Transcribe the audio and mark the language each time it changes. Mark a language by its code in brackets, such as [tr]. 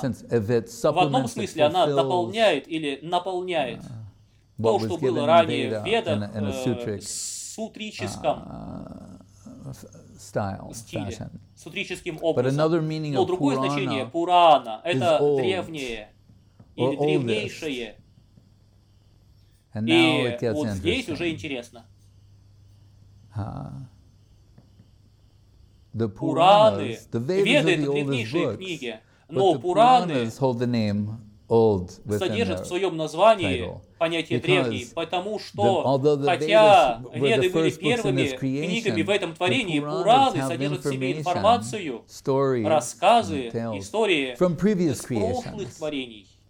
[ru] в одном смысле, она дополняет или наполняет то, что было ранее в Ведах, сутрическом стиле, сутрическим образом. Но другое значение Пурана – это древнее или древнейшее. И вот здесь уже интересно. [en] The Puranas, the Vedas are the oldest books, [ru] но Пураны содержат в своем названии понятие древний, потому что, хотя Веды были первыми книгами в этом творении, Пураны содержат в себе информацию, рассказы, истории из прошлых творений.